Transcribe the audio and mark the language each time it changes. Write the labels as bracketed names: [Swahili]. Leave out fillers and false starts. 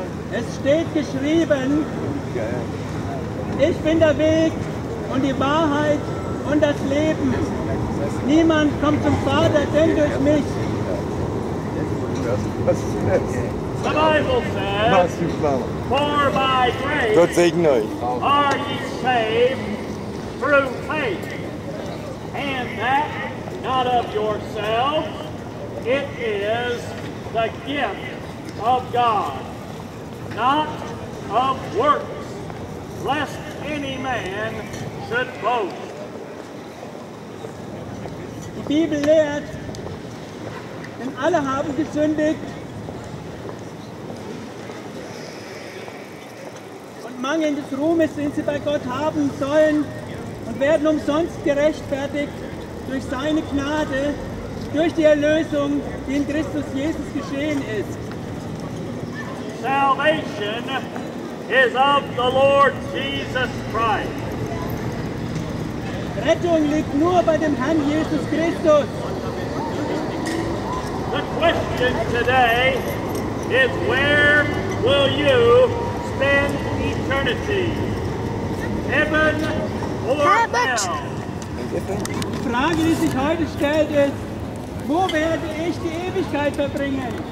[German] Es steht geschrieben, ich bin der Weg und die Wahrheit und das Leben. Niemand kommt zum Vater denn durch mich. [English] The Bible says, for by grace are ye saved through faith, and that not of yourself, it is the gift of God, not of works, lest any man should boast. The Bible [German] lehrt, denn alle haben gesündigt und mangeln des Ruhmes, den sie bei Gott haben sollen, und werden umsonst gerechtfertigt durch seine Gnade, durch die Erlösung, die in Christus Jesus geschehen ist. [English] Salvation is of the Lord Jesus Christ. [German] Rettung liegt nur bei dem Herrn Jesus Christus. [English] The question today is, where will you spend eternity? Heaven or hell? [German] Die Frage, die sich heute stellt, ist, wo werde ich die Ewigkeit verbringen?